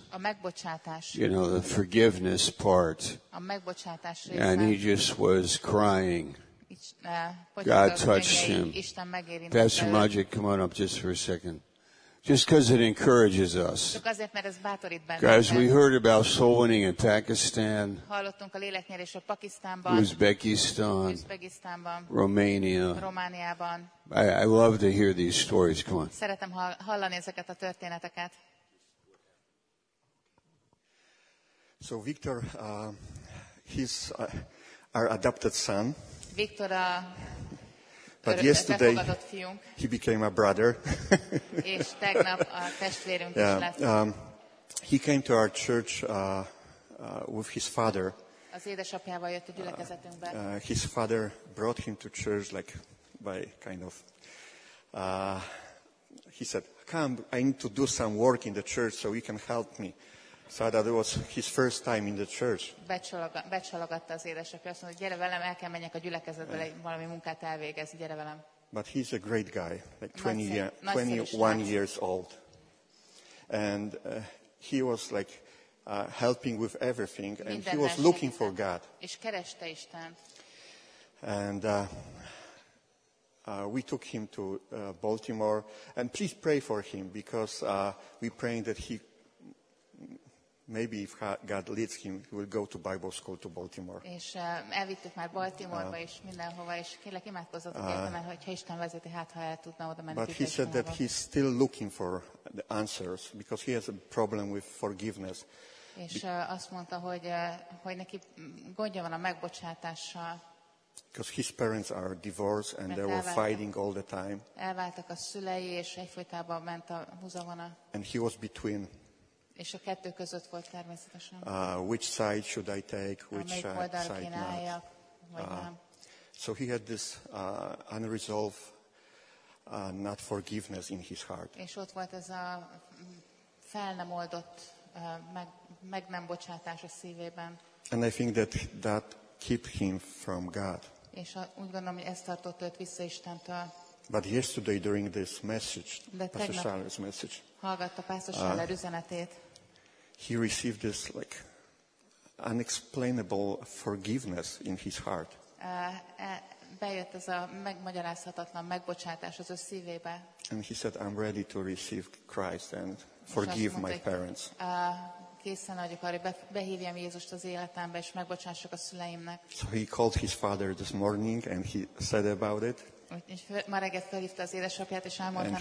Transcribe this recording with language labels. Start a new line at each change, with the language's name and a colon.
Hungarian: a megbocsátás,
English: you know, the forgiveness part,
Hungarian: a megbocsátás része.
English: And he just was crying. God touched him.
Hungarian: Isten megérintette.
English: Pastor Majek, come on up just for a second. Just because it encourages us.
Hungarian: Csak azért, mert ez bátorít bennünket.
English: Guys, we heard about soul winning in Pakistan,
Hungarian: hallottunk a léleknyerés a Pakisztánban,
English: Uzbekistan, Romania.
Hungarian: Romániában.
English: I love to hear these stories. Come on.
Hungarian: Szeretem hallani ezeket a történeteket.
English: So Victor, he's our adopted son.
Hungarian: Victor a...
English: But yesterday he became a brother.
Hungarian: És tegnap a testvérünk is lett.
English: He came to our church with his father.
Hungarian: Az édesapjával jött a gyülekezetünkbe.
English: His father brought him to church like by kind of he said, "Come, I need to do some work in the church so you can help me." So that was his first time in the church.
Hungarian: Becsalogatta az édesapja, azt mondta, gyere velem, el kell menjek a gyülekezetbe, valami munkát elvégez, gyere velem.
English: But he's a great guy, like 21 years old. And he was like helping with everything, and he was looking for God.
Hungarian: És kereste Istent.
English: And we took him to Baltimore, and please pray for him, because we praying that he, maybe if God leads him, he will go to Bible school to Baltimore.
Hungarian: És elvittük már Baltimore-ba és mindenhova, és kérlek imádkozzatok értem, mert hogyha Isten vezeti, hát ha el tudna oda menni.
English: But he said that he's still looking for the answers, because he has a problem with forgiveness.
Hungarian: És azt mondta, hogy hogy neki gondja van a megbocsátással.
English: Because his parents are divorced and they were fighting all the time.
Hungarian: Elváltak a szülei, és egyfolytában ment a húzavona.
English: And he was between.
Hungarian: És a kettő között volt természetesen.
English: Which side should I take, which side not.
Hungarian: Vagy nem.
English: So he had this unresolved not forgiveness in his heart.
Hungarian: És ott volt ez a fel nem oldott, meg nem bocsátás a szívében.
English: And I think that that keep him from God.
Hungarian: És úgy gondolom, hogy ez tartott őt vissza Istentől.
English: But yesterday during this message, Pastor Schaller's message,
Hungarian: hallgatta Pastor Schaller üzenetét.
English: He received this like unexplainable forgiveness in his heart.
Hungarian: Bejött ez a megmagyarázhatatlan megbocsátás az ő szívébe.
English: And he said, "I'm ready to receive Christ and forgive my parents."
Hungarian: Készen vagyok arra, behívjam Jézust az életembe, és megbocsássak a szüleimnek.
English: So he called his father this morning, and he said about it.
Hungarian: Ma reggel felhívta az édesapját, és elmondta neki.